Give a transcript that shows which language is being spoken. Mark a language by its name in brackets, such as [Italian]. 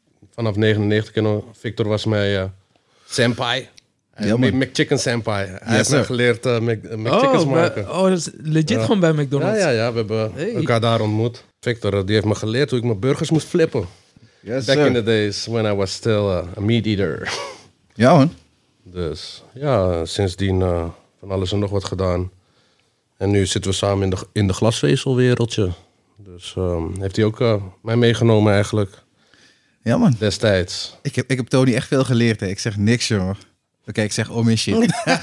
[Dutch] Vanaf 99 kennen Victor was mijn senpai. McChicken senpai. Hij heeft me geleerd McChickens maken. Oh, dat is legit gewoon bij McDonald's. Ja. We hebben elkaar daar ontmoet. Victor, die heeft me geleerd hoe ik mijn burgers moest flippen. [English] Yes, back sir. In the days when I was still a meat eater. [Dutch] Ja, man. Dus ja, sindsdien van alles en nog wat gedaan. En nu zitten we samen in de glasvezelwereldje. Dus heeft hij ook mij meegenomen eigenlijk. Ja, man. Destijds. Ik heb Tony echt veel geleerd. Hè. Ik zeg niks, joh. Oké, ik zeg om in shit.